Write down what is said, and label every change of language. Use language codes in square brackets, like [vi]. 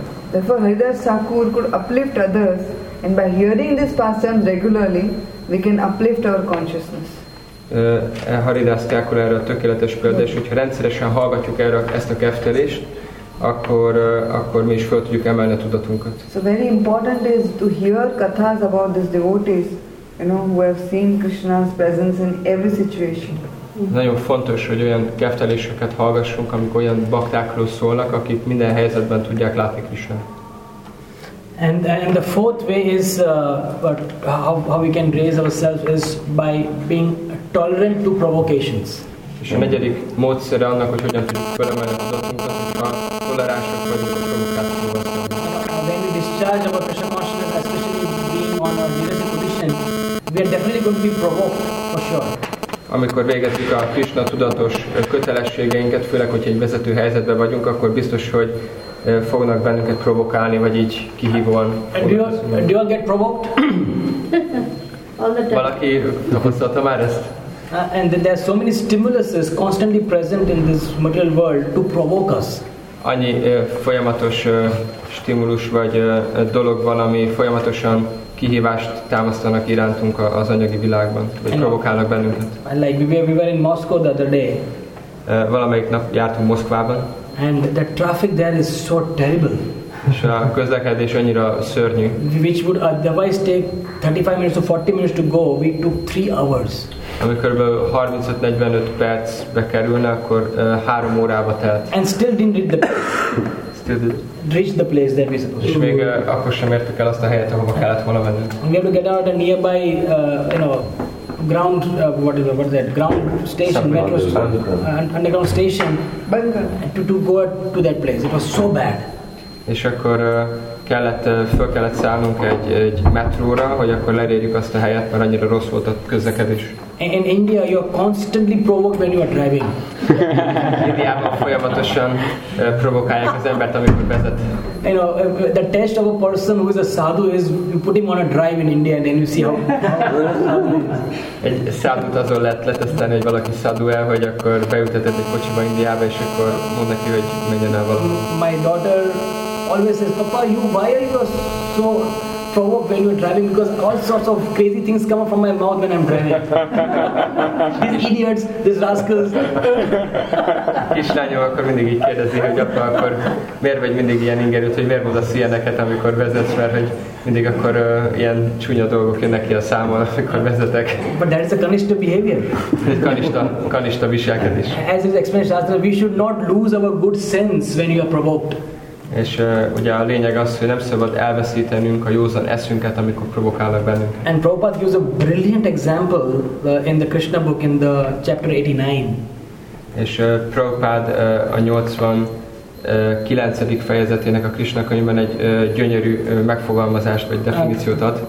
[en] Therefore, Haridas Thakur could uplift others, and by hearing this pastime regularly, we can uplift our consciousness. [hu] Haridas Thakur erre a tökéletes példa, és hogyha rendszeresen hallgatjuk erre ezt a keftelést, akkor mi is fel tudjuk emelni a tudatunkat. [en] So very important is to hear kathas about these devotees, you know, who have seen Krishna's presence in every situation. [hu] Nagyon fontos, hogy olyan kefteléseket hallgassunk, amik olyan baktákról szólnak, akik minden helyzetben tudják látni Krishna. [en] And the fourth way is how we can raise ourselves is by being tolerant to provocations. [hu] És a negyedik módszer annak, hogy hogyan tudjuk felemelni tudatunkat, hogyha toleránsak vagyunk a provokációhoz. [en] When we discharge our Krishna consciousness, especially being on our leadership position, we are definitely going to be provoked, for sure. [hu] amikor végezzük a Krishna tudatos kötelességeinket, főleg, hogyha egy vezető helyzetben vagyunk, akkor biztos, hogy fognak bennünket provokálni, vagy így kihívóan. [en] Do you all get provoked? All the time. [hu] Valaki tapasztalta már ezt? [en] And there are so many stimuluses constantly present in this material world to provoke us. [hu] Annyi folyamatos stimulus vagy dolog van, ami folyamatosan kihívást támasztanak irántunk az anyagi világban, vagy provokálnak bennünket. [en] And like we were in Moscow the other day. [hu] Valamelyik nap jártunk Moszkvában. [en] And the traffic there is so terrible. [hu] És a közlekedés annyira szörnyű. [en] Which would otherwise take 35 minutes to 40 minutes to go, we took 3 hours. [hu] Ami körülbelül 35-45 perc bekerülne, akkor 3 órába telt. [en] And still didn't reach the place. [hu] És még akkor sem értük el azt a helyet, ahova kellett volna menni. [en] And we have to get out a nearby, ground, what is that? Ground station, metro station, underground station. To go to that place. It was so bad. [hu] És akkor föl kellett szállnunk egy metróra, hogy akkor lerérjük azt a helyet, mert annyira rossz volt a közlekedés. [en] In India, you are constantly provoked when you are driving. [hu] Indiában folyamatosan provokálják az embert, amikor vezet. [en] You know, the test of a person who is a sadhu is you put him on a drive in India and then you see how. [hu] Egy sadhut azon lehet leteszteni, hogy valaki sadhu-e, hogy akkor beülteted egy kocsiba Indiába, és akkor mond neki, hogy menjen el valahol. [en] My daughter always says, Papa, why are you so provoked when you are driving? Because all sorts of crazy things come up from my mouth when I'm driving. These idiots, these rascals. [hu] Kislányom akkor mindig így kérdezi, hogy apa, akkor miért vagy mindig ilyen ingerült, hogy miért mondasz ilyeneket, amikor vezetsz, mert hogy mindig akkor ilyen csúnya dolgok jönnek ki a számon, amikor vezetek. [en] But that is a kanista behavior. [hu] Egy kanista viselkedés. [en] As is explained, Shastra, we should not lose our good sense when you are provoked. [hu] És ugye a lényeg az, hogy nem szabad elveszítenünk a józan eszünket, amikor provokálnak bennünk. [en] And Prabhupada gives a brilliant example in the Krishna book in the chapter 89. [hu] És Prabhupada a 89. fejezetének a Krishna könyvben egy gyönyörű megfogalmazást vagy definíciót ad.